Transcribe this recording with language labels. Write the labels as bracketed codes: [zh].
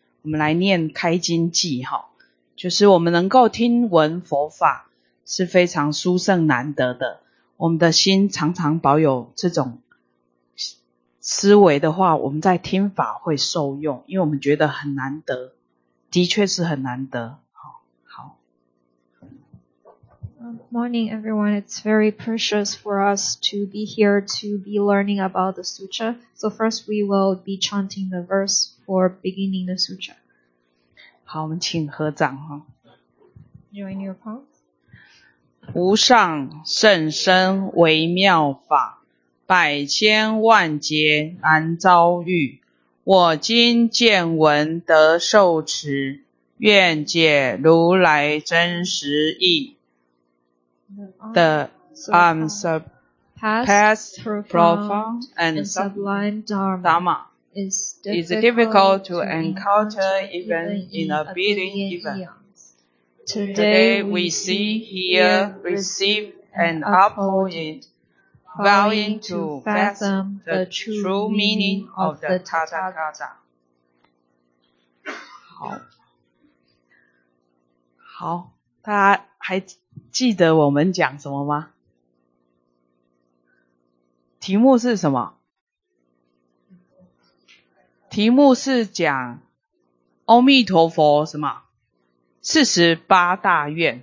[zh] 我们来念开经记哈，就是我们能够听闻佛法是非常殊胜难得的。我们的心常常保有这种思维的话，我们在听法会受用，因为我们觉得很难得。的确是很难得。 [en] Morning everyone, it's very precious for us to be here to be learning about the sutra. So first we will be chanting the verse for beginning the sutra. [zh] 好，我们请合掌。 [en] Join your palms. [zh] 无上甚深微妙法，百千万劫难遭遇，我今见闻得受持，愿解如来真实义。 [en] The past profound and sublime Dharma is difficult to encounter even in a billion eons. Today we see, hear, receive, and uphold it, vowing to fathom the true meaning of the Tathagata. [zh] 好，好，大家还记得我们讲什么吗？题目是什么？题目是讲阿弥陀佛什么四十八大愿。